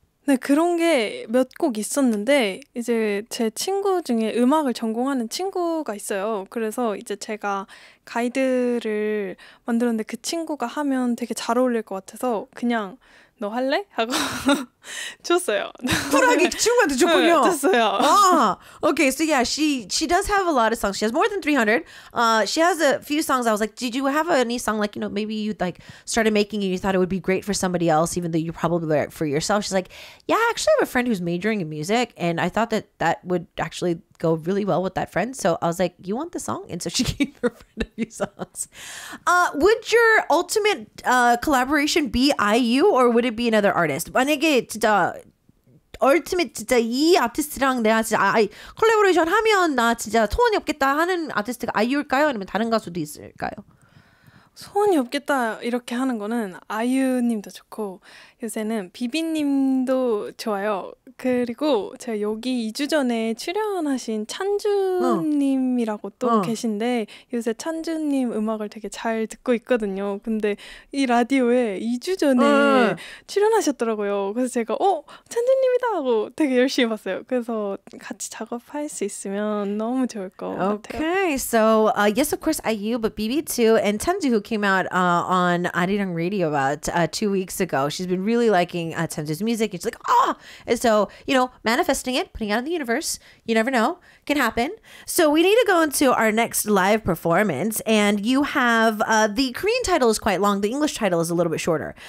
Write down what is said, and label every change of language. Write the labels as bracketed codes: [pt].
[ko] 네, 그런 게 몇 곡 있었는데 이제 제 친구 중에 음악을 전공하는 친구가 있어요. 그래서 이제 제가 가이드를 만들었는데 그 친구가 하면 되게 잘 어울릴 것 같아서 그냥 너 할래? 하고 줬어요. 쿨하게 친구한테 줬군요. 네, 줬어요. [en] Okay, so yeah, she does have a lot of songs. She has more than 300. She has a few songs. I was like, did you have any song like, you know, maybe you like started making it and you thought it would be great for somebody else, even though you probably were for yourself. She's like, yeah, I actually have a friend who's majoring in music and I thought that that would actually go really well with that friend. So I was like, you want the song? And so she gave her friend a few songs. Would your ultimate collaboration be IU or would it be another artist? [ko] 만약에 진짜 ultimate 진짜 이 아티스트랑 내가 진짜 아이 콜라보레이션 하면 나 진짜 소원이 없겠다 하는 아티스트가 IU일까요? 아니면 다른 가수도 있을까요? 소원이 없겠다 이렇게 하는 거는 아이유님도 좋고 요새는 비비님도 좋아요. 그리고 제가 여기 2주 전에 출연하신 찬주님이라고 또 계신데 요새 찬주님 음악을 되게 잘 듣고 있거든요. 근데 이 라디오에 2주 전에 출연하셨더라고요. 그래서 제가 찬주님이다 하고 되게 열심히 봤어요. 그래서 같이 작업할 수 있으면 너무 좋을 것 같아요. [en] Okay, so yes, of course, IU, but BB too, and Chanju who came out on ARIRANG Radio about 2 weeks ago. She's been really liking Chanju's music. And she's like, and so, you know, manifesting it, putting it out in the universe. You never know. Can happen. So we need to go into our next live performance. And you have, the Korean title is quite long. The English title is a little bit shorter.